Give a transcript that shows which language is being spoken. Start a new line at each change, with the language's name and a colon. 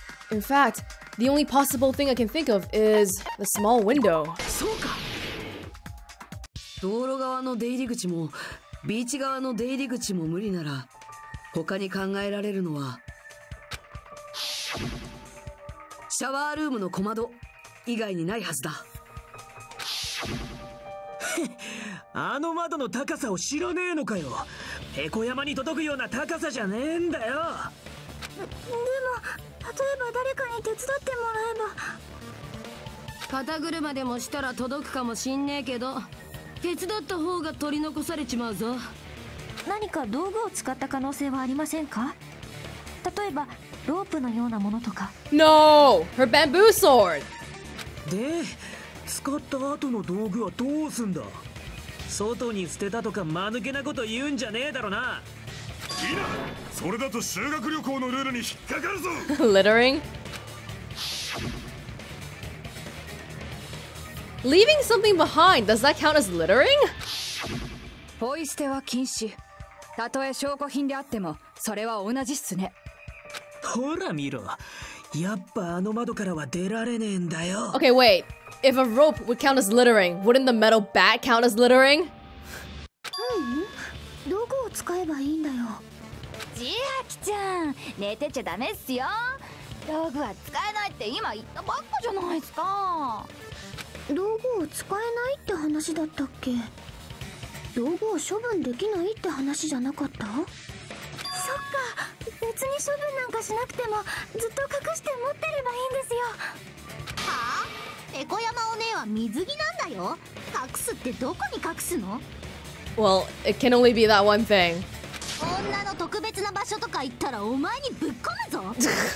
English: In fact, the only possible thing I can think of is the small window.
Japanese: そうか。道路側の出入り口もビーチ側の出入り口も無理なら、他に考えられるのはシャワールームの小窓以外にないはずだ。あの窓の高さを知らねえのかよ。ペコ山に届くような高さじゃねえんだよ。でも例えば誰かに手伝ってもらえば。肩車でもしたら届くかもしんねえけど、手伝った方が取り残されちまうぞ。何か道具を使った可能性はありませんか。例えばロープのようなものとか。
English: No! Her bamboo sword!
Japanese: で、使った後の道具はどうすんだ。外に捨てたとか間抜けなこと言うんじゃねえだろな。いいな。それだと修学旅行のルールに引っかかるぞ。
English: Littering? Leaving something behind, does that count as littering?
Japanese: ポイ捨ては禁止。たとえ証拠品であってもそれは同じっすね。ほら見ろ、やっぱあの窓からは出られねえんだよ。
English: Okay, wait. If a rope would count as littering, wouldn't the metal bat count as littering?
Japanese: どこを使えばいいんだよ。ジアキちゃん、寝てちゃダメっすよ。道具は使えないって今言ったばっかじゃないっすか。道具を使えないって話だったっけ。道具を処分できないって話じゃなかった。そっか、別に処分なんかしなくてもずっと隠して持ってればいいんですよ。はあ、エコヤマお姉は水着なんだよ。隠すってどこに隠すの。
English: Well, it can only be that one thing.
Japanese: 女の特別な場所とか行ったらお前にぶっ込むぞ。嫌です、乱暴しないでください。